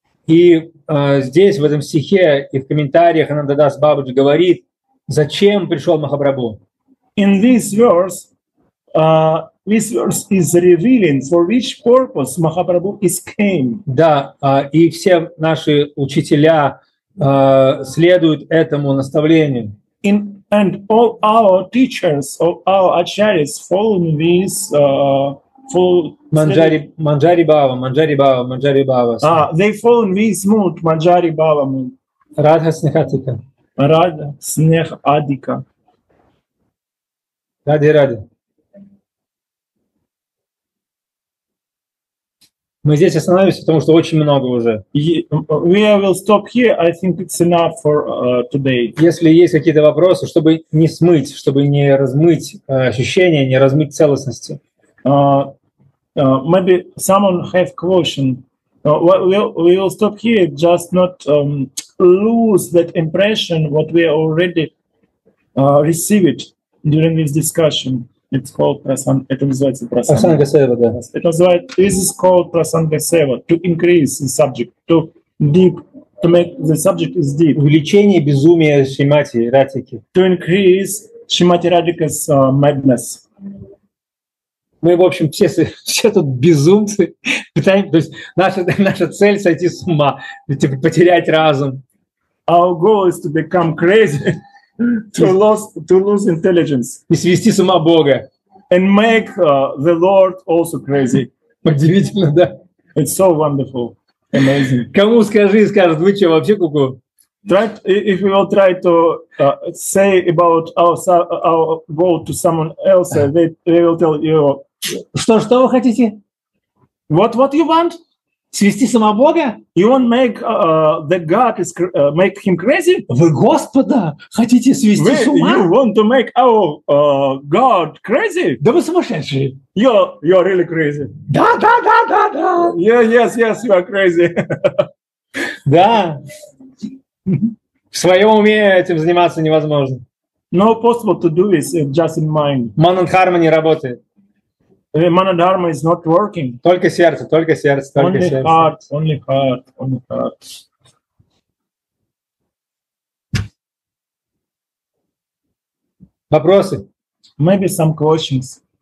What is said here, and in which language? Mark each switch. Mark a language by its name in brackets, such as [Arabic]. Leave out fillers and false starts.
[Russian] И здесь, в этом стихе и в комментариях Анандадас Бабаджи говорит, зачем пришел Махапрабху. [English] In this verse is revealing for which purpose Махапрабху is came. [Russian] Да, и все наши учителя следуют этому наставлению. [English] And all our teachers, all our acharyas following this [Russian] Манджари Бава. [English] They follow this mood, Манджари Бава mood. Радха Снехатика. Радха Снехадика. Ради. [Russian] Мы здесь остановимся, потому что очень много уже. [English] We will stop here. I think it's enough for today. [Russian] Если есть какие-то вопросы, чтобы не смыть, чтобы не размыть ощущения, не размыть целостности. [English] Maybe someone has a question. We will stop here, just not lose that impression what we already received during this discussion. It's called prasan. [Russian] Это называется прасанга. Прасанга сева, да. [English] It was right. This is called прасанга сева. To increase the subject, to deep, to make the subject is deep. [Russian] Увеличение безумия Шримати Радхики. [English] To increase Шримати Радхика's madness. [Russian] Мы, в общем, все тут безумцы. То есть наша цель — сойти с ума, типа потерять разум. [English] Our goal is to become crazy, to lose intelligence. [Russian] И свести с ума Бога. [English] And make the Lord also crazy. [Russian] Удивительно, да? [English] It's so wonderful, amazing. [Russian] Кому скажи, скажут, вы что, вообще ку-ку? [English] If we will try to say about our goal to someone else, they will tell you. [Russian] Что вы хотите? [English] What you want? [Russian] Свести сама Бога? [English] You want make the God is make him crazy? [Russian] Вы Господа хотите свести с ума? [English] You want to make our God crazy? [Russian] Да вы сумасшедшие! [English] You're really crazy. [Russian] Да, да, да, да, да. [English] Yes, you are crazy. [Russian] Да. В своем уме этим заниматься невозможно. [English] No possible to do this just in mind. [Russian] Манан Харма не работает. [English] Манадхарма is not working. [Russian] Только сердце. [English] Only heart. [Russian] Вопросы? [English] Maybe some questions.